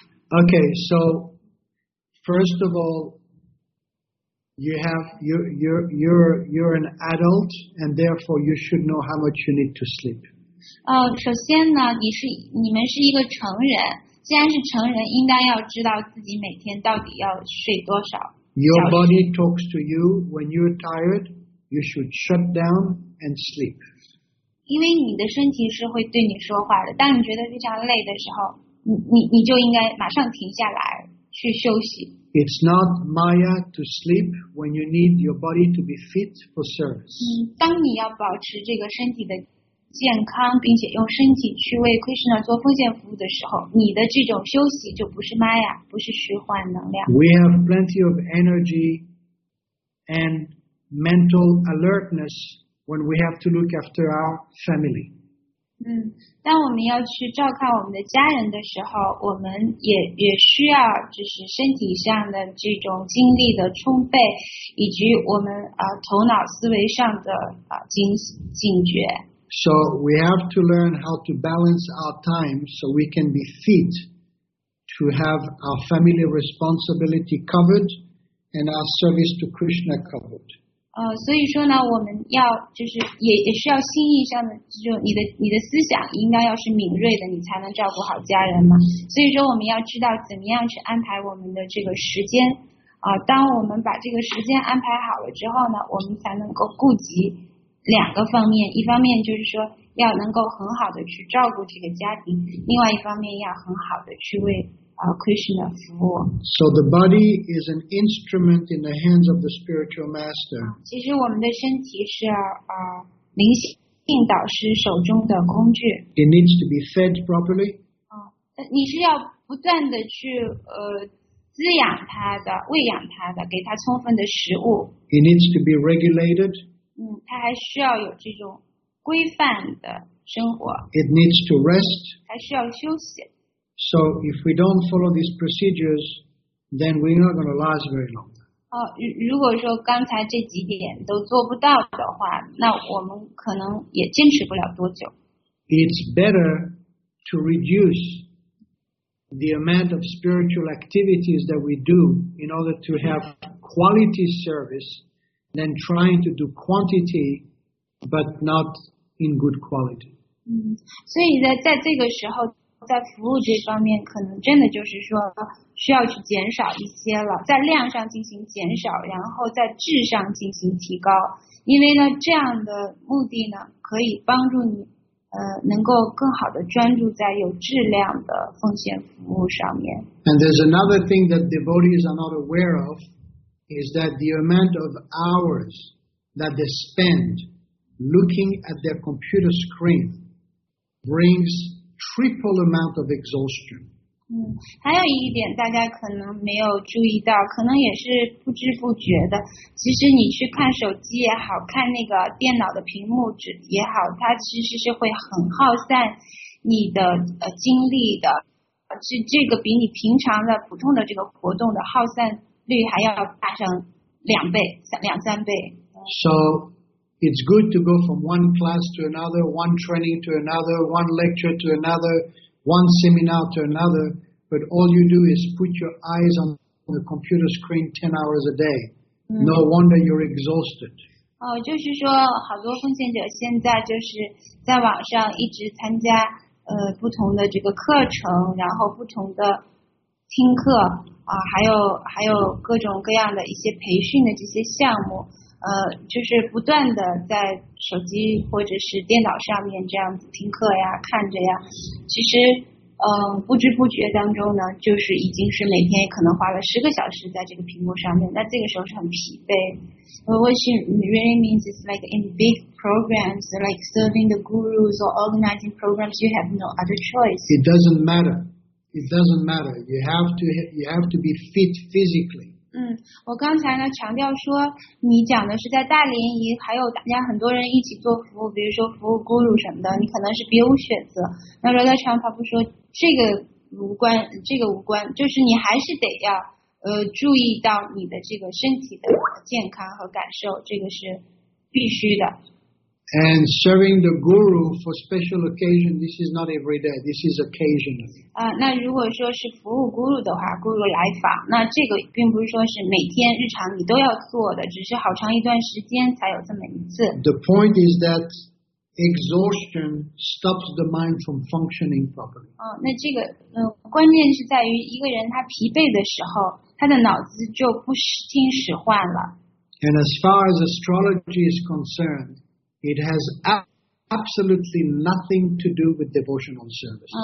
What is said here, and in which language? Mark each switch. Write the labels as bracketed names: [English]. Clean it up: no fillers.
[English] Okay, so first of all, you're an adult, and therefore you should know how much you need to sleep. [Chinese] 首先呢，你们是一个成人，既然是成人，应该要知道自己每天到底要睡多少。 [English] Your body talks to you when you're tired. You should shut down and sleep. [Chinese] 因为你的身体是会对你说话的，当你觉得非常累的时候。你就应该马上停下来去休息。 [English] It's not Maya to sleep when you need your body to be fit for service. [Chinese] 当你要保持这个身体的健康，并且用身体去为 Krishna 做奉献服务的时候，你的这种休息就不是 Maya， 不是虚幻能量。 [English] We have plenty of energy and mental alertness when we have to look after our family. [Chinese] 当我们要去照看我们的家人的时候，我们也需要就是身体上的这种精力的充沛，以及我们头脑思维上的警觉。 [English] So we have to learn how to balance our time so we can be fit to have our family responsibility covered and our service to Krishna covered. [Chinese] 所以说呢，我们要就是也需要心意上的，就你的思想应该要是敏锐的，你才能照顾好家人嘛。所以说我们要知道怎么样去安排我们的这个时间，当我们把这个时间安排好了之后呢，我们才能够顾及两个方面，一方面就是说要能够很好的去照顾这个家庭，另外一方面要很好的去为Krishna for. [English] So the body is an instrument in the hands of the spiritual master. [Chinese] 其实我们的身体是灵性导师手中的工具。 [English] It needs to be fed properly. [Chinese] 你是要不断的去滋养它的，喂养它的，给它充分的食物。 [English] It needs to be regulated. [Chinese] 它还需要有这种规范的生活。 [English] It needs to rest. [Chinese] 还需要休息。 [English] So if we don't follow these procedures, then we're not going to last very long. [Chinese] 如果说刚才这几点都做不到的话，那我们可能也坚持不了多久。 [English] It's better to reduce the amount of spiritual activities that we do in order to have quality service than trying to do quantity but not in good quality. [Chinese] 所以在这个时候在服务这方面可能真的就是说需要去减少一些了，在量上进行减少，然后在质上进行提高，因为呢这样的目的呢可以帮助你能够更好的专注在有质量的奉献服务上面。 [English] And there's another thing that devotees are not aware of is that the amount of hours that they spend looking at their computer screen brings triple amount of exhaustion. [Chinese] 还有一点大家可能没有注意到，可能也是不知不觉的，其实你去看手机也好，看那个电脑的屏幕也好，它其实是会很耗散你的精力的，是这个比你平常的普通的这个活动的耗散率还要大上两倍，两三倍。 [English] So it's good to go from one class to another, one training to another, one lecture to another, one seminar to another, but all you do is put your eyes on the computer screen 10 hours a day. No wonder you're exhausted. [Chinese] 就是说好多奉献者现在就是在网上一直参加不同的这个课程，然后不同的听课还有各种各样的一些培训的这些项目，就是不断的在手机或者是电脑上面这样子听课呀，看着呀，其实不知不觉当中呢，就是已经是每天可能花了10个小时在这个屏幕上面，那这个时候是很疲惫。 [English] What it really means is like in big programs, like serving the gurus or organizing programs, you have no other choice. It doesn't matter. It doesn't matter. You have to be fit physically. [Chinese] 我刚才呢强调说，你讲的是在大联谊，还有大家很多人一起做服务，比如说服务 guru 什么的，你可能是别无选择。那罗德长发布说，这个无关，就是你还是得要注意到你的这个身体的健康和感受，这个是必须的。 [English] And serving the guru for special occasion, this is not every day, this is occasionally. [Chinese] 那如果说是服务 guru 的话， guru 来访，那这个并不是说是每天日常你都要做的，只是好长一段时间才有这么一次。 [English] The point is that exhaustion stops the mind from functioning properly. [Chinese] 那这个关键是在于一个人他疲惫的时候，他的脑子就不听使唤了。 [English] And as far as astrology is concerned,It has absolutely nothing to do with devotional service.